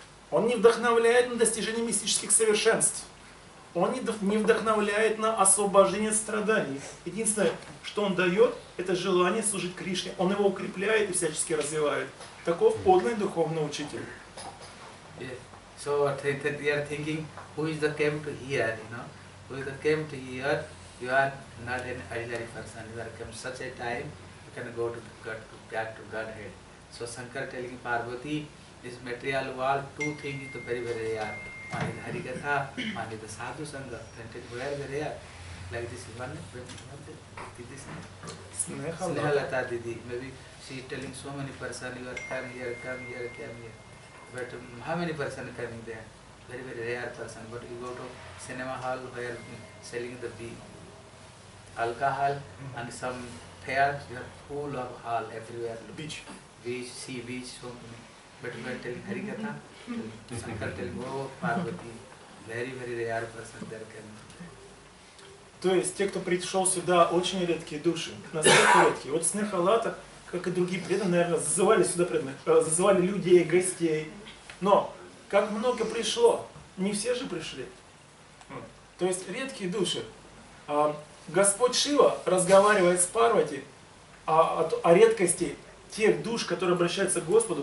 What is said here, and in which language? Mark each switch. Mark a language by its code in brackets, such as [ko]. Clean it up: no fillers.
[ru] Он не вдохновляет на достижение мистических совершенств. Он не вдохновляет на освобождение страданий. Единственное, что он дает, это желание служить Кришне. Он его укрепляет и всячески развивает. Таков подлый духовный учитель. [en] Yes. So that you are thinking, who is the came to here, you know? Who is the came to here? You are not an ordinary person. You are come such a time, you can go to God, back to Godhead. So Shankara telling Parvati, this material world, two things is very, very rare. One is Harikatha, one is the Sadhu Sangha. That is very, very rare. Like this one, Didi Sneha. Sneha Lata Didi. Maybe she is telling so many persons, you are come here. But how many persons are coming there? Very, very rare person. But you go to cinema hall where selling the alcohol and some fair, you are full of hall everywhere. Beach. Beach, sea beach, so many. But you are telling Harikatha, Shankar telling, oh, Parvati, very, very rare person there can. [ru] То есть те, кто пришел сюда, очень редкие души, настолько редкие. Вот Снеха Лата, как и другие преданные, наверное, зазывали сюда преданных, зазывали людей, гостей. Но как много пришло, не все же пришли. То есть редкие души. Господь Шива разговаривает с Парвати о редкости тех душ, которые обращаются к Господу.